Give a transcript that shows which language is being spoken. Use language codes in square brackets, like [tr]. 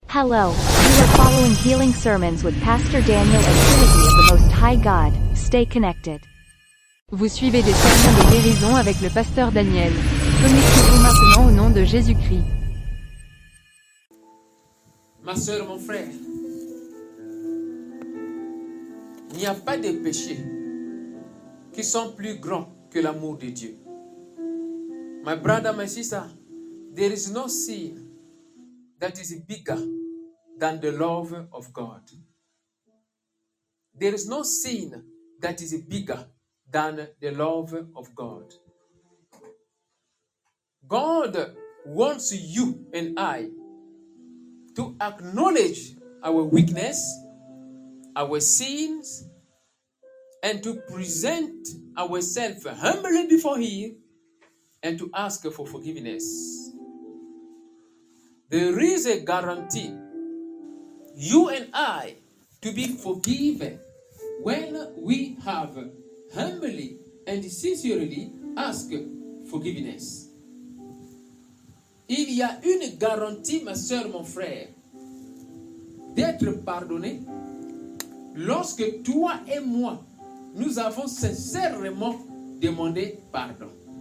[en] Hello, you are following Healing Sermons with Pastor Daniel and Trinity of the Most High God. Stay connected. [fr] Vous suivez des sermons de guérison avec le Pasteur Daniel. Connectez-vous maintenant au nom de Jésus-Christ. Ma sœur, mon frère, il n'y a pas de péchés qui sont plus grands que l'amour de Dieu. [en] My brother, my sister, there is no sin that is bigger than the love of God. There is no sin that is bigger than the love of God. God wants you and I to acknowledge our weakness, our sins, and to present ourselves humbly before Him and to ask for forgiveness. There is a guarantee, you and I, to be forgiven when we have humbly and sincerely asked forgiveness. [fr] Il y a une garantie, ma soeur, mon frère, d'être pardonné lorsque toi et moi, nous avons sincèrement demandé pardon.